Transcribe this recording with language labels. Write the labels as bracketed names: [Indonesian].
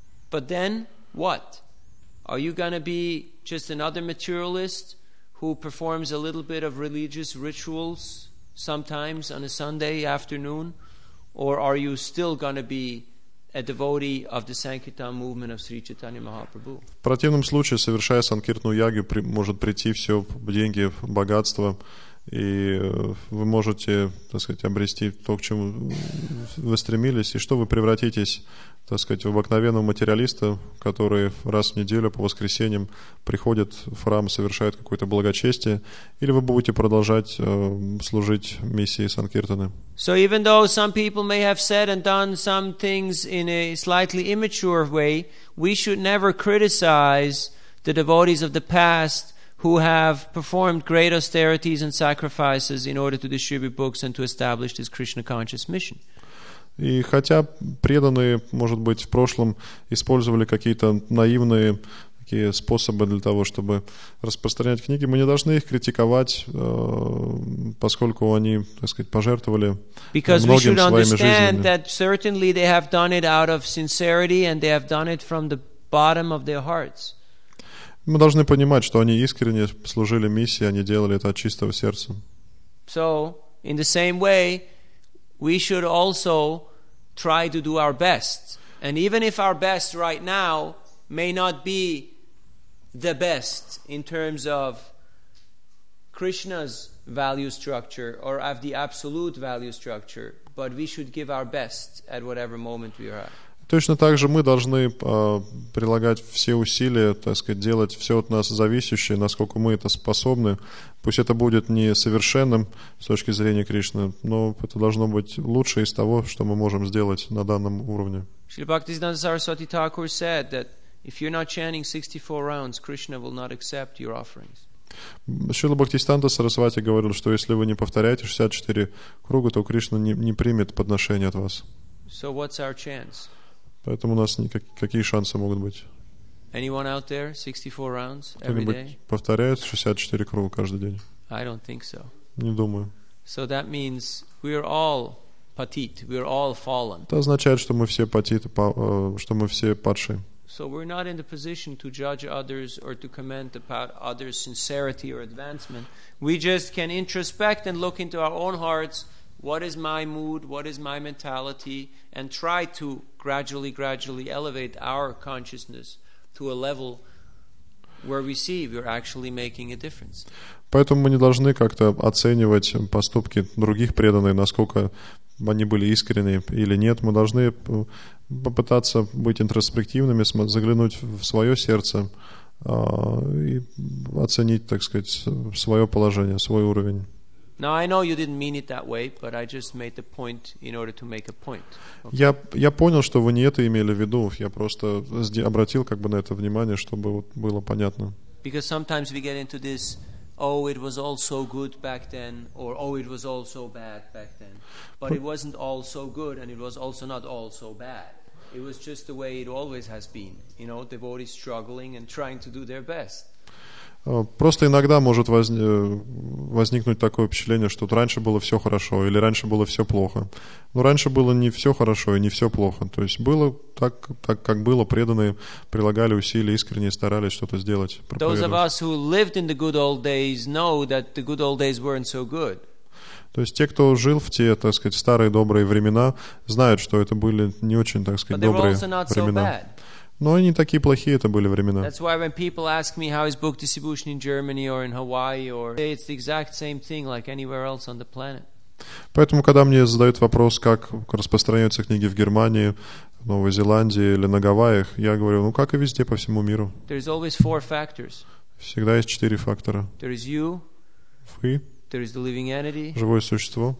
[English] But then, what? Are you going to be just another materialist who performs a little bit of religious rituals sometimes on a Sunday afternoon? Or are you still going to be a devotee of the Sankirtan movement of Sri Chaitanya Mahaprabhu? [Russian] В противном случае, совершая санкиртную ягью, может прийти все деньги, богатство, и вы можете, так сказать, обрести то, к чему вы стремились, и что вы превратитесь, так сказать, в обыкновенного материалиста, который раз в неделю по воскресеньям приходит в храм, совершает какое-то благочестие, или вы будете продолжать служить миссии Санкиртаны. [English] So even though some people may have said and done some things in a slightly immature way, we should never criticize the devotees of the past who have performed great austerities and sacrifices in order to distribute books and to establish this Krishna conscious mission. [Russian] И хотя преданные, может быть, в прошлом использовали какие-то наивные такие способы для того, чтобы распространять книги, мы не должны их критиковать, поскольку они, так сказать, пожертвовали многим своими жизнями. [English] Because we should understand that certainly they have done it out of sincerity and they have done it from the bottom of their hearts. [Russian] Мы должны понимать, что они искренне служили миссии, они делали это от чистого сердца. [English] So, in the same way, we should also try to do our best. And even if our best right now may not be the best in terms of Krishna's value structure or of the absolute value structure, but we should give our best at whatever moment we are at. [Russian] Точно так же мы должны прилагать все усилия, так сказать, делать все от нас зависящее, насколько мы это способны. Пусть это будет не совершенным с точки зрения Кришны, но это должно быть лучшее из того, что мы можем сделать на данном уровне. [English] Шрила Бхактисиддханта Сарасвати Тхакур said that if you're not chanting 64 rounds, Krishna will not accept your offerings. [Russian] Шрила Бхактисиддханта Сарасвати говорил, что если вы не повторяете 64 круга, то Кришна не примет подношение от вас. [English] So what's our chance? [Russian] Поэтому у нас какие шансы могут быть? [English] Anyone out there 64 rounds every day? [Russian] Кто-нибудь повторяет 64 круга каждый день? [English] I don't think so. [Russian] Не думаю. [English] So that means we are all patit, we are all fallen. [Russian] Это означает, что мы все патиты, что мы все падшие. [English] So we're not in the position to judge others or to comment about others' sincerity or advancement. We just can introspect and look into our own hearts. What is my mood? What is my mentality? And try to gradually elevate our consciousness to a level where we see we're actually making a difference. [Russian] Поэтому мы не должны как-то оценивать поступки других преданных, насколько они были искренни или нет. Мы должны попытаться быть интроспективными, заглянуть в свое сердце и оценить, так сказать, свое положение, свой уровень. [English] Now I know you didn't mean it that way, but I just made the point in order to make a point. Okay. [Russian] Я понял, что вы не это имели в виду. Я просто обратил как бы на это внимание, чтобы вот было понятно. [English] Because sometimes we get into this, oh, it was all so good back then, or oh, it was all so bad back then. But it wasn't all so good, and it was also not all so bad. It was just the way it always has been. You know, devotees struggling and trying to do their best. [Russian] Просто иногда может возникнуть такое впечатление, что раньше было все хорошо или раньше было все плохо. Но раньше было не все хорошо и не все плохо. То есть было так как было, преданные прилагали усилия, искренне старались что-то сделать. [English] Those of us who lived in the good old days know that the good old days weren't so good. [Russian] То есть те, кто жил в те, так сказать, старые добрые времена, знают, что это были не очень, так сказать, добрые времена. Но не такие плохие это были времена. [English] That's why when people ask me how is book distribution in Germany or in Hawaii or it's the exact same thing like anywhere else on the planet. [Russian] Поэтому когда мне задают вопрос, как распространяются книги в Германии, в Новой Зеландии или на Гавайях, я говорю, ну как и везде по всему миру. [English] There is always four factors. [Russian] Всегда есть четыре фактора. [English] There is you. [Russian] Вы. [English] There is the living entity. [Russian] Живое существо.